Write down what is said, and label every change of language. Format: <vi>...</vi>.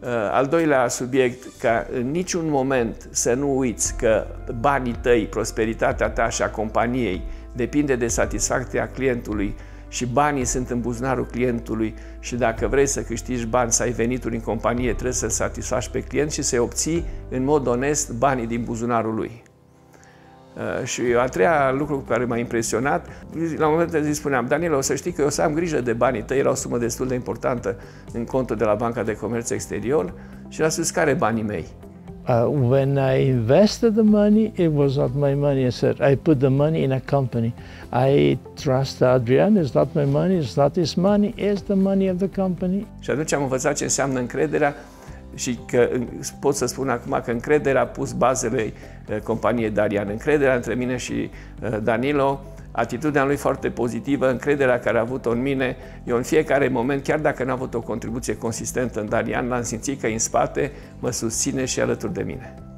<ro>Al doilea subiect, ca în niciun moment să nu uiți că banii tăi, prosperitatea ta și a companiei depinde de satisfacția clientului și banii sunt în buzunarul clientului și dacă vrei să câștigi bani, să ai venituri în companie, trebuie să satisfaci pe client și să-i obții în mod onest banii din buzunarul lui. Și a treia lucru care m-a impresionat, la un moment dat îi spuneam, Danilo, o să știi că eu o să am grijă de banii tăi, era o sumă destul de importantă în contul de la Banca de Comerț Exterior și l-a spus, care banii mei?</ro> <en>When I invested the money, it was not my money. I said, I put the money in a company. I trust Adrian, it's not my money, it's not his money, it's the money of the company.</en> <ro>Și atunci am învățat ce înseamnă încrederea și că pot să spun acum că încrederea a pus bazele companiei Darian. Încrederea între mine și Danilo, atitudinea lui foarte pozitivă, încrederea care a avut-o în mine, eu în fiecare moment, chiar dacă n-am avut o contribuție consistentă în Darian, l-am simțit că în spate mă susține și alături de mine.</ro>